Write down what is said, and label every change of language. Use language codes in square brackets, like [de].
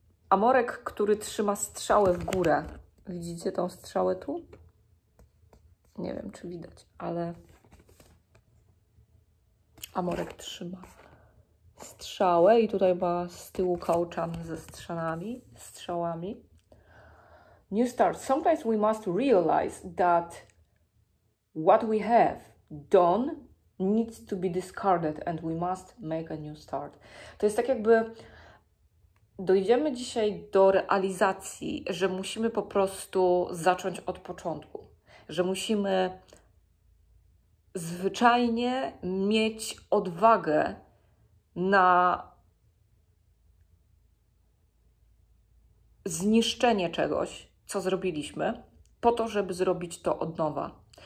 [pl] Amorek, który trzyma strzałę w górę. Widzicie tą strzałę tu? Nie wiem, czy widać, ale amorek trzyma strzałę i tutaj ma z tyłu kołczan ze strzałami. [en] New start. Sometimes we must realize that what we have done needs to be discarded and we must make a new start. [pl] To jest tak jakby dojdziemy dzisiaj do realizacji, że musimy po prostu zacząć od początku. Że musimy zwyczajnie mieć odwagę na zniszczenie czegoś, co zrobiliśmy, po to, żeby zrobić to od nowa.